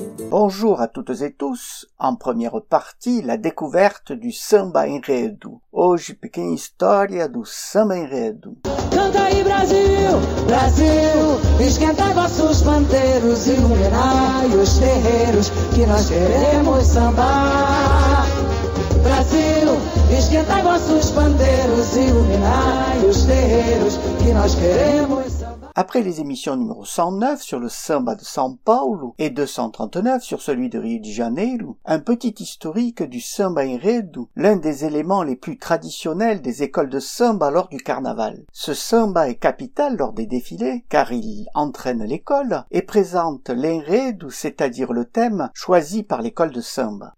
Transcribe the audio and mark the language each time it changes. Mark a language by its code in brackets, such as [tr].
[fr] Bonjour à toutes et tous. En première partie, la découverte du samba enredo. [pt] Hoje, pequena história do samba enredo. Canta aí, Brasil, Brasil, esquenta vossos panteiros, iluminai os terreiros, que nós queremos sambar. Brasil, esquenta vossos panteiros, iluminai os terreiros, que nós queremos sambar. [fr] Après les émissions numéro 109 sur le samba de São Paulo et 239 sur celui de Rio de Janeiro, un petit historique du samba enredo, l'un des éléments les plus traditionnels des écoles de samba lors du carnaval. Ce samba est capital lors des défilés, car il entraîne l'école et présente l'enredo, c'est-à-dire le thème, choisi par l'école de samba.